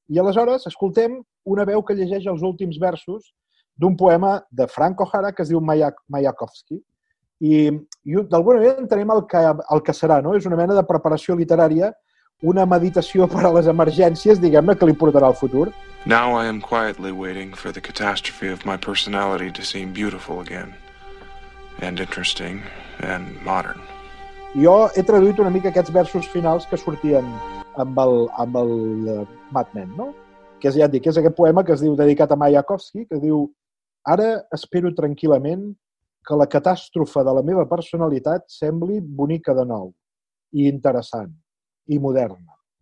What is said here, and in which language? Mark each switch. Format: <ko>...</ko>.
<ca>I aleshores escoltem una veu que llegeix els últims versos d'un poema de Franco Jara que es diu Mayakovsky. I d'alguna manera entenem el que serà, no? És una mena de preparació literària, una meditació per a les emergències, diguem-ne, que li portarà al futur.</ca> <en>Now I am quietly waiting for the catastrophe of my personality to seem beautiful again, and interesting, and modern.</en> <ca>Jo he traduït una mica aquests versos finals que sortien amb el Mad Men, no? Que és, ja et dic, és aquest poema que es diu, dedicat a Mayakovsky, que diu, ara espero tranquil·lament que la catàstrofe de la meva personalitat sembli bonica de nou, i interessant, i moderna.</ca>